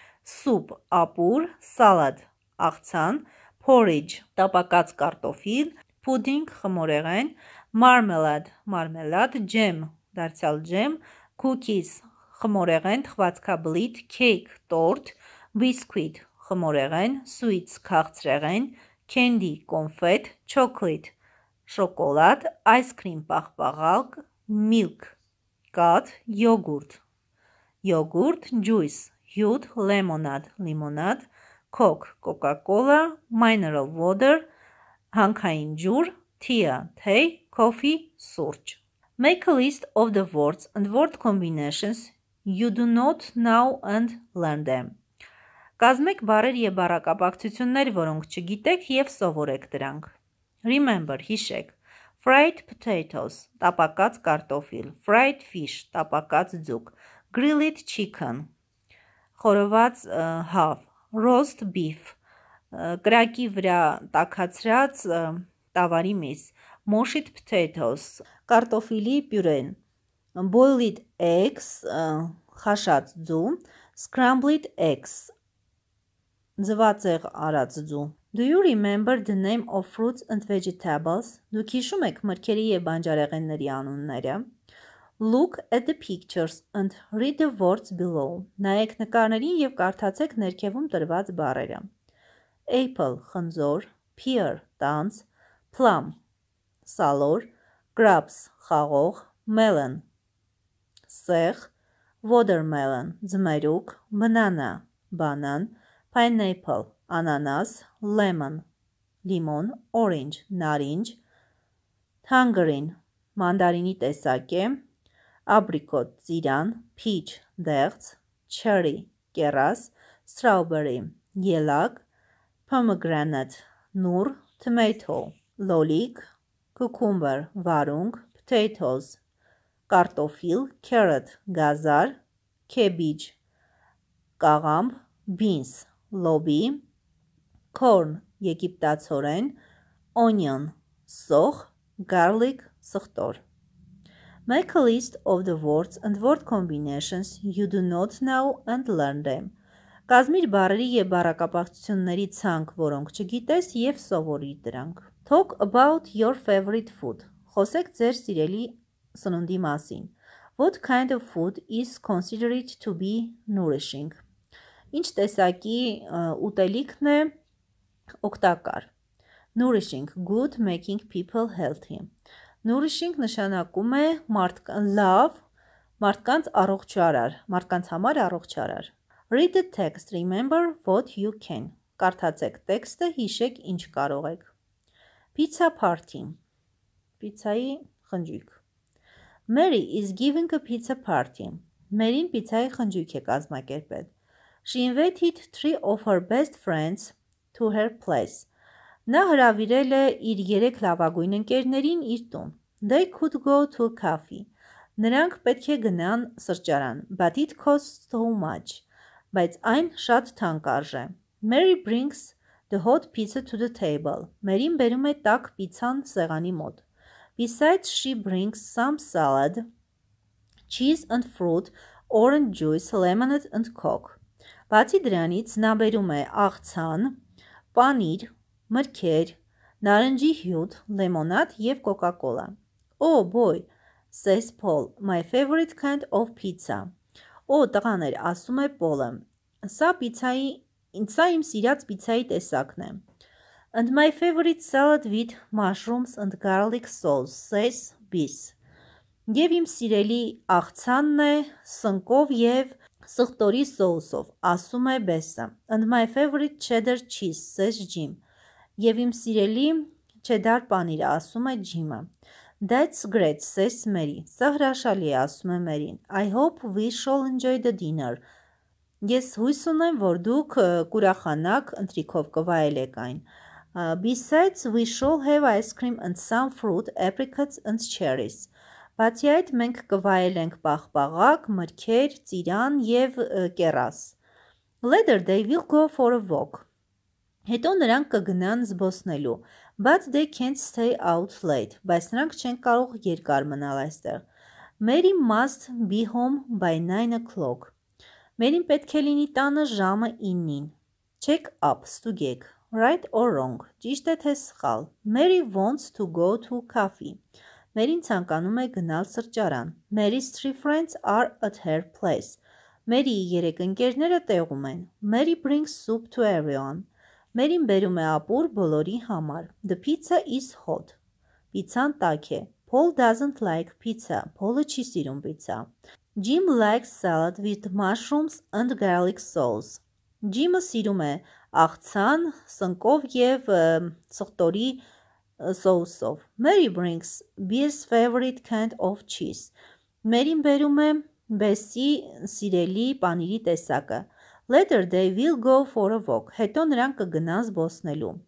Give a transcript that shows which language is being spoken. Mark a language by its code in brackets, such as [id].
[hy] սուպ, ապուր, սալադ, աղցան, porridge, տապակած կարտոֆիլ, pudding, խմորեղեն, marmalade, marmalade, jam, դարձյալ jam, cookies, խմորեղեն, թխվածքաբլիթ, cake, տորտ, biscuit, խմորեղեն, sweets, քաղցրեղեն, candy, կոնֆետ, chocolate, շոկոլադ, ice cream, պաղպաղակ, milk, [en] կաթ, yogurt, yogurt, juice, հյութ, lemonade, limonade, coke, coca-cola, mineral water, հանքային ջուր, tea, թեյ, coffee, սուրճ. Make a list of the words and word combinations you do not know and learn them. [hy] Կազմեք բառեր եւ բառակապակցություններ, որոնք չգիտեք եւ սովորեք դրանք. Remember, հիշեք. Fried potatoes, տապակած կարտոֆիլ, fried fish, տապակած ձուկ, grilled chicken, խորոված հավ, roast beef, կրակի վրա տաքացրած տավարի միս, mashed potatoes, կարտոֆիլի պյուրեն, boiled eggs, խաշած ձու, scrambled eggs, ձվածեղ արած ձու. [en] Do you remember the name of fruits and vegetables? [hy] Դուք հիշու՞մ եք մրգերի եւ բանջարեղենների անունները. [en] Look at the pictures and read the words below. [hy] Նայեք նկարներին եւ կարդացեք ներքևում տրված բառերը. [en] Apple խնձոր, pear տանձ, plum սալոր, grapes խաղող, melon սեղ, watermelon ձմերուկ, banana բանան, pineapple ananas, lemon, limon, orange, նարինջ, tangerine, մանդարինի տեսակ է, apricot, ծիրան, peach, դեղց, cherry, կերաս, strawberry, ելակ, pomegranate, նուր, tomato, լոլիկ, cucumber, վարունգ, potatoes, կարտոֆիլ, carrot, գազար, cabbage, [hy] կաղամբ, բինս, լոբի, կորն, եգիպտացորեն, onion, սող, garlic, սխտոր. [en] Make a list of the words and word combinations you do not know and learn them. [hy] Կազմիր բառերի եւ բառակապակցությունների ցանկ, որոնք չգիտես եւ սովորի դրանք. [en] Talk about your favorite food. [hy] Խոսեք ձեր սիրելի սնունդի մասին. [en] What kind of food is considered to be nourishing? [hy] Ինչ տեսակի ուտելիքն է օգտակար? [en] Nourishing, good, making people healthy. [hy] Nourishing նշանակում է լավ, մարդկանց առողջարար, մարդկանց համար առողջարար. [en] Read the text, remember what you can. [hy] Կարդացեք տեքստը, հիշեք ինչ կարող եք. [en] Pizza party. [hy] Պիցայի խնջույք. [en] Mary is giving a pizza party. [hy] Մերին պիցայի խնջույք է կազմակերպել. [en] She invited three of her best friends to her place. [hy] Նա հրավիրել է իր երեք լավագույն ընկերներին իր տուն. [en] They could go to a cafe. [hy] Նրանք պետք է գնան սրճարան. [en] But it costs so much. [hy] Բայց այն շատ թանկարժ է. [en] Mary brings the hot pizza to the table. [hy] Մերին բերում է տաք պիցան սեղանի մոտ. [en] Besides, she brings some salad, cheese and fruit, orange juice, lemonade and coke. [hy] Բացի դրանից նա բերում է աղցան, պանիր, մրգեր, նարնջի հյութ, լեմոնադ եւ կոկակոլա. [en] Oh boy, says Paul, my favorite kind of pizza. [hy] Օ՜, տղաներ, ասում է Պոլը, սա պիցայի, սա իմ սիրած պիցայի տեսակն է. [en] And my favorite salad with mushrooms and garlic sauce, says Biz. [hy] Եվ իմ սիրելի աղցանն է սնկով եւ սխտորի սոուսով, ասում է Բեսը. [en] And my favorite cheddar cheese, says Jim. [hy] Եվ իմ սիրելի չեդար պանիրը, ասում է Ջիմը. [en] That's great, says Mary. [hy] Սա հրաշալի է, ասում է Մերին. [en] I hope we shall enjoy the dinner. [hy] Ես հույս ունեմ, որ դուք կուրախանաք, ընթրիքով կվայելեք այն. [en] Besides, we shall have ice cream and some fruit, apricots and cherries. [hy] Բացի այդ, մենք կվայելենք պաղպաղակ, մրգեր, ծիրան եւ կերաս. [en] Later they will go for a walk. [hy] Հետո նրանք կգնան զբոսնելու. [en] But they can't stay out late. [hy] Բայց նրանք չեն կարող երկար մնալ այստեղ. [en] Mary must be home by 9 o'clock. [hy] Մերին պետք է լինի տանը ժամը 9-ին. [en] Check up, [hy] ստուգեք. [en] Right or wrong. [hy] Ճիշտ է թե սխալ. [en] Mary wants to go to cafe. [hy] Մերին ցանկանում է գնալ սրճարան. [en] Mary's three friends are at her place. [hy] Մերիի երեք ընկերները տեղում են. [en] Mary brings soup to everyone. [hy] Մերին բերում է ապուր բոլորի համար. [en] The pizza is hot. [hy] Պիցան տաք է. [en] Paul doesn't like pizza. [hy] Paul-ը չի սիրում պիցա. [en] Jim likes salad with mushrooms and garlic sauce. [hy] Jim-ը սիրում է աղցան, սնկով եւ սխտորի սոուսով. [en] Mary brings Bill's favorite kind of cheese. [hy] Մերին բերում է Բեսի սիրելի պանիրի տեսակը. [en] Later they will go for a walk. [hy] Հետո նրանք կգնան զբոսնելու.